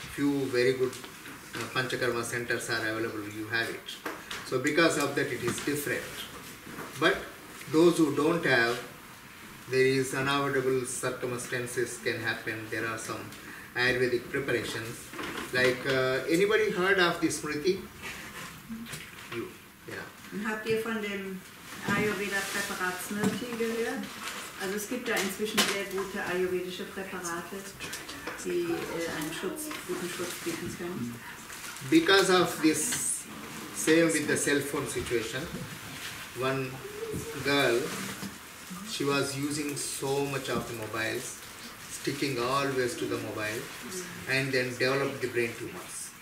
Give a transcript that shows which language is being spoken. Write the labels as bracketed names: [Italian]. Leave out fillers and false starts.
[English] Few very good panchakarma centers are available, you have it. So because of that it is different. But those who don't have, there is unavoidable circumstances can happen. There are some Ayurvedic preparations, like anybody heard of the Smriti? You, yeah. [German] Und habt ihr von dem Ayurveda Präparat Smriti gehört? Also es gibt da inzwischen sehr gute ayurvedische Präparate, die einen Schutz, guten Schutz bieten können. [English] Because of this, same with the cell phone situation, one girl She was using so much of the mobiles, sticking always to the mobile, and then developed the brain tumors.